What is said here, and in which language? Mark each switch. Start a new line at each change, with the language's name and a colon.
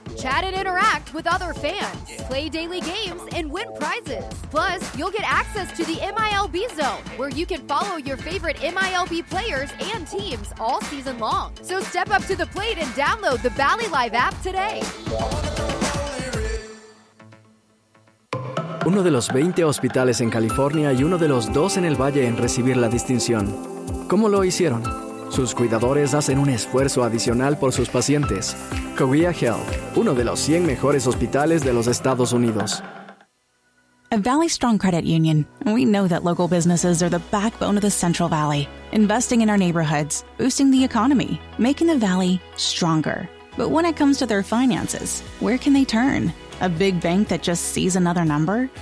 English: Chat and interact with other fans. Play daily games and win prizes. Plus, you'll get access to the MILB Zone, where you can follow your favorite MILB players and teams all season long. So step up to the plate and download the Bally Live app today.
Spanish: Uno de los 20 hospitales en California y uno de los 2 en el Valle en recibir la distinción. ¿Cómo lo hicieron? Sus cuidadores hacen un esfuerzo adicional por sus pacientes. Korea Health, uno de los 100 mejores hospitales de los Estados Unidos.
English: At Valley Strong Credit Union, we know that local businesses are the backbone of the Central Valley, investing in our neighborhoods, boosting the economy, making the valley stronger. But when it comes to their finances, where can they turn? A big bank that just sees another number?